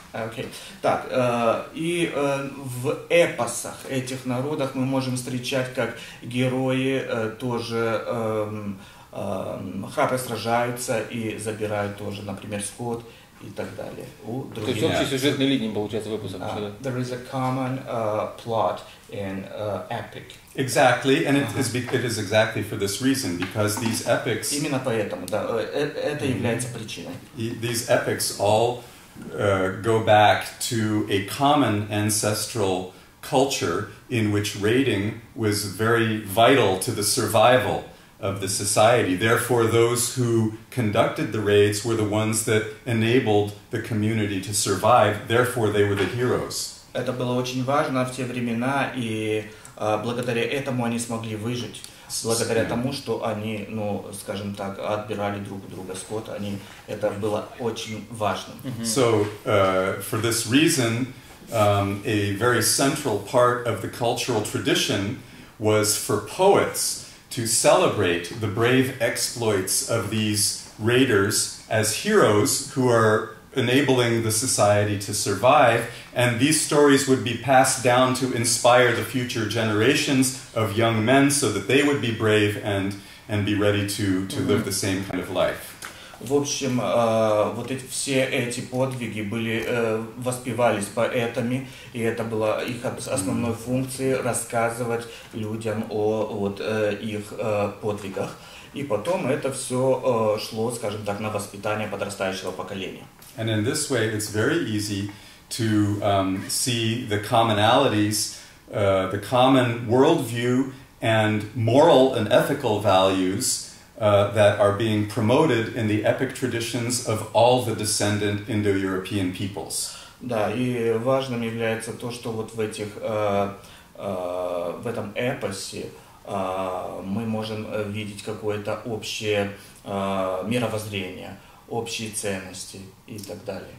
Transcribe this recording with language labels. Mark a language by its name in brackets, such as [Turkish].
[English] Okay. [Russian] Так, и в эпосах этих народов мы можем встречать, как герои тоже храбро сражаются и забирают тоже, например, скот и так далее. У других... То есть общей сюжетной линии получается в эпосах? [English] There is a common plot in epic. Exactly, and it is exactly for this reason, because these epics... [Russian] Именно поэтому, да, это является причиной. [English] These epics all... go back to a common ancestral culture in which raiding was very vital to the survival of the society. Therefore, those who conducted the raids were the ones that enabled the community to survive. Therefore, they were the heroes. [Russian] Это было очень важно в те времена, и благодаря этому они смогли выжить. Благодаря тому, что они, ну, скажем так, отбирали друг у друга скот, они, это было очень важно. [English] So, for this reason, a very central part of the cultural tradition was for poets to celebrate the brave exploits of these raiders as heroes who are enabling the society to survive, and these stories would be passed down to inspire the future generations of young men so that they would be brave and be ready to live the same kind of life. [Russian] В общем, вот эти, все эти подвиги были, воспевались поэтами, и это было их основной функцией рассказывать людям о вот их подвигах. И потом это все шло, скажем так, на воспитание подрастающего поколения. [English] And in this way, it's very easy to see the commonalities, the common worldview and moral and ethical values that are being promoted in the epic traditions of all the descendant Indo-European peoples. [Russian] Да, и важным является то, что вот в этих в этом эпосе мы можем видеть какое-то общее мировоззрение, общие ценности и так далее.